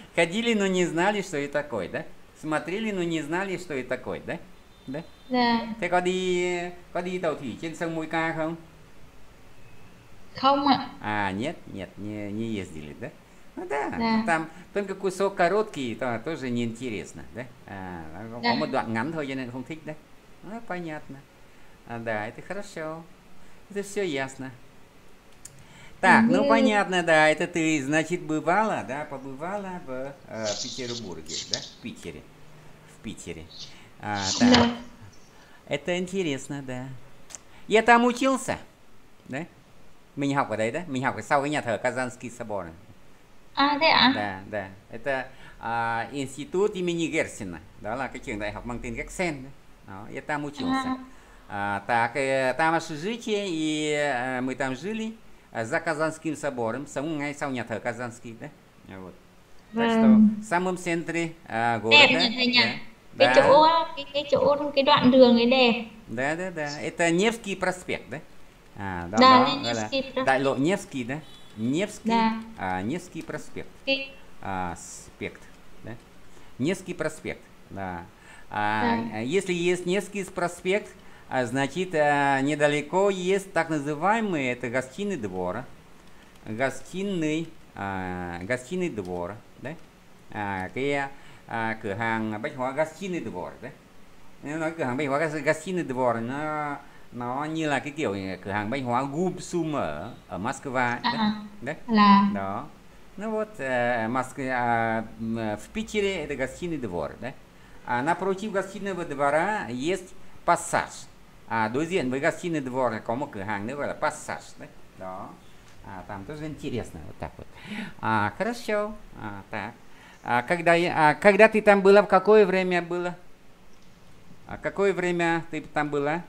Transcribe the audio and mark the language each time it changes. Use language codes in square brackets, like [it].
[ru] Ходили, но не знали, что это такое, да? Смотрели, но не знали, что это такое, да? Да. Да. [vi] Thế có đi tàu thủy trên sông Mũi Cà không? Không ạ. [ru] Нет, нет, не ездили, да? Ну да, Да. там только кусок короткий, то тоже неинтересно, да? [vi] Có [ru] Да. [vi] một đoạn ngắn thôi cho nên không thích, да? [ru] Понятно. Да, это хорошо. Это все ясно. Так, ну [vi] Như [ru] понятно, да, это ты, значит, бывала, да, побывала в Петербурге, да, в Питере. В Питере. Так. Да. Это интересно, да. Я там учился, да? [vi] Mình học ở đấy, да? Mình học ở sau cái nhà thờ Казанский собор. À thế ạ? [ru] Да. Это институт имени Герцена. [vi] Đó là cái trường đại học mang tên Герцен, да? [ru] Đó, я там учился. [vi] À. [ru] Так, там общежитие, и мы там жили за Казанским собором, самым [vi] ngay sau nhà thờ Казанский, [ru] да? Вот. Так что, в [vi] Vâng. [ru] самом центре [vi] Đẹp [ru] города, [vi] nhỉ thầy nhỉ? [ru] да? [vi] Cái [ru] Да. [vi] chỗ cái đoạn đường ấy đẹp. [ru] Да. Это Невский проспект, да? [vi] Đó, [ru] Да, [vi] đó, gọi là [ru] Ленинский [vi] đại [ru] проспект. [vi] lộ Невский, да? [ru] Невский, Да. Невский проспект. [vi] Cái... [ru] Спект, да? Невский проспект, да. Да. Если есть Невский проспект, значит недалеко есть так называемый это гостиный двор, гостиный двор, да? [vi] Cái cửa hàng Bách Hóa gostiny dvor, да? Nếu nói cửa hàng Bách Hóa gostiny dvor nó như là cái kiểu cửa hàng Bách Hóa Gubsum ở ở Moscow đấy, À, đấy, là đó. [ru] Ну вот в Питере это гостиный двор, да? Напротив гостиного двора есть пассаж. [vi] Đối diện với гостиный двор có một cửa hàng nữa gọi là пассаж, đấy. Đó. [ru] Там тоже интересно, вот так вот. Хорошо. Так. Когда ты там была, в какое время было? Какое время ты там была?